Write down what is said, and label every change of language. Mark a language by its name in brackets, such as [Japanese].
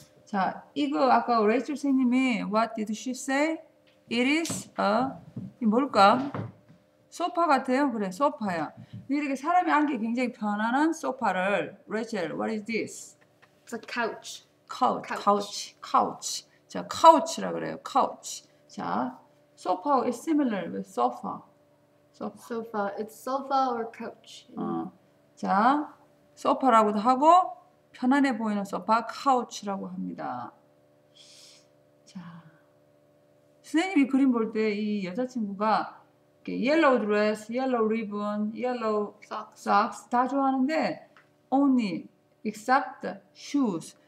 [Korean] 자, 이거 아까 레이첼 선생님이 [English] What did she say? It is a [Korean] 뭘까? 소파 같아요? 그래, 소파야. 이렇게 사람이 앉기 굉장히 편안한 소파를 레이첼, [English] What is this? It's a couch. Couch. [Korean] 자, couch라 그래요. [English] Couch. 자, sofa is similar with sofa. Sofa. It's sofa or couch. [Korean] 자, 소파라고도 하고 편안해 보이는 소파, 카우치라고 합니다. 자, 선생님이 그림 볼 때 이 여자친구가 이렇게 [English] yellow dress, yellow ribbon, yellow socks [Korean] 다 좋아하는데 [English] only except shoes.